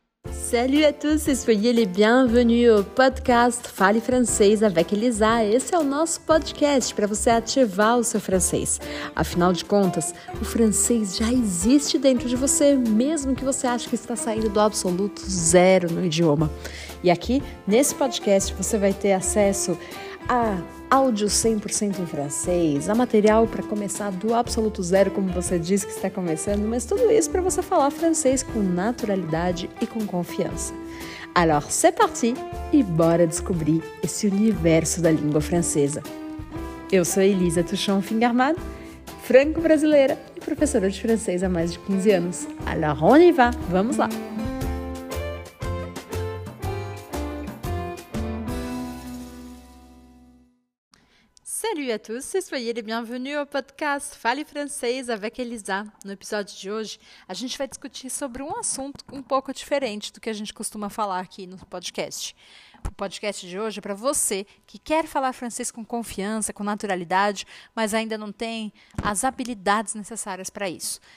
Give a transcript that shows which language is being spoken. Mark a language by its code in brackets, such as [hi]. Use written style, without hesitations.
[fr] Salut à tous et soyez les bienvenus au podcast Fale Francês avec Elisa. [pt] Esse é o nosso podcast para você ativar o seu francês. Afinal de contas, o francês já existe dentro de você, mesmo que você ache que está saindo do absoluto zero no idioma. E aqui, nesse podcast, você vai ter acesso a áudio 100% em francês, a material para começar do absoluto zero, como você disse que está começando, mas tudo isso para você falar francês com naturalidade e com confiança. [fr] Alors, c'est parti [pt] e bora descobrir esse universo da língua francesa. Eu sou Elisa Touchon Fingarmad, franco-brasileira e professora de francês há mais de 15 anos. [fr] Alors, on y va, [pt] vamos lá! [fr] Salut à tous et soyez les bienvenus au podcast Fale Francês avec Elisa. [pt] No episódio de hoje, a gente vai discutir sobre um assunto um pouco diferente do que a gente costuma falar aqui no podcast. O podcast de hoje é para você que quer falar francês com confiança, com naturalidade, mas ainda não tem as habilidades necessárias para isso.